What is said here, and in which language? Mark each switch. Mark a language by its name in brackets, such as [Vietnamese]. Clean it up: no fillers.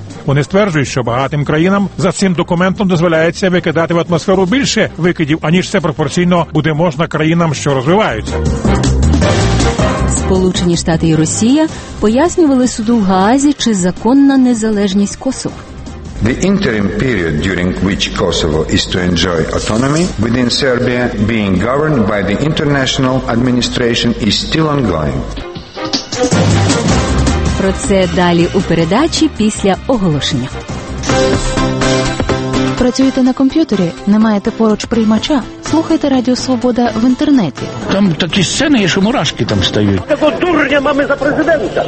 [Ukrainian] Вони стверджують, що багатим країнам за цим документом дозволяється викидати в атмосферу більше викидів, аніж це пропорційно буде можна країнам, що розвиваються. Сполучені Штати і Росія пояснювали суду в Гаазі, чи законна незалежність Косово. [English] The interim period during which Kosovo is to enjoy autonomy within Serbia being governed by the international administration is still ongoing. [Ukrainian] Про це далі у передачі після оголошення. Працюєте на комп'ютері? Не маєте поруч приймача? Слухайте Радіо Свобода в інтернеті. Там такі сцени є, що мурашки там стають. Такого дурня мами за президента.